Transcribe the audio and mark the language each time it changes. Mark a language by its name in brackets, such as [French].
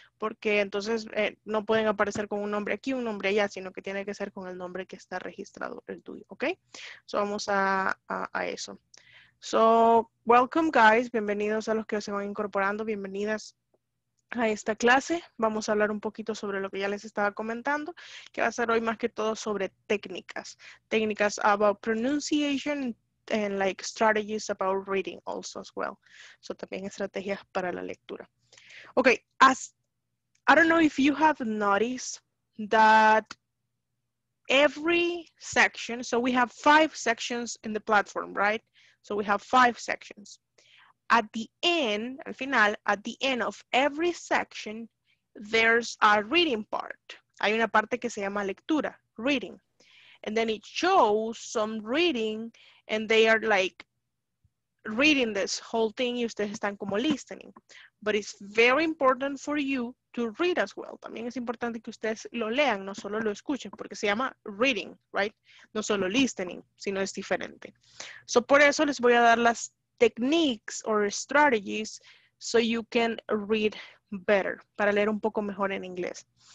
[Spanish] Porque entonces no pueden aparecer con un nombre aquí, un nombre allá, sino que tiene que ser con el nombre que está registrado el DUI, ¿ok? So vamos a eso. So, [English] welcome guys, [Spanish] bienvenidos a los que se van incorporando, bienvenidas a esta clase. Vamos a hablar un poquito sobre lo que ya les estaba comentando, que va a ser hoy más que todo sobre técnicas. [English] Técnicas about pronunciation and like strategies about reading also as well. So, [Spanish] también estrategias para la lectura. [English] Okay, I don't know if you have noticed that every section, so we have 5 sections in the platform, right? So we have 5 sections. At the end, [Spanish] al final, [English] at the end of every section, there's a reading part. [Spanish] Hay una parte que se llama lectura, [English] reading. And then it shows some reading and they are like reading this whole thing [Spanish] y ustedes están como [English] listening. But it's very important for you to read as well. [Spanish] También es importante que ustedes lo lean, no solo lo escuchen, porque se llama reading, right? No solo listening, sino es diferente. So por eso les voy a dar las [English] techniques or strategies so you can read better, [Spanish] para leer un poco mejor en inglés.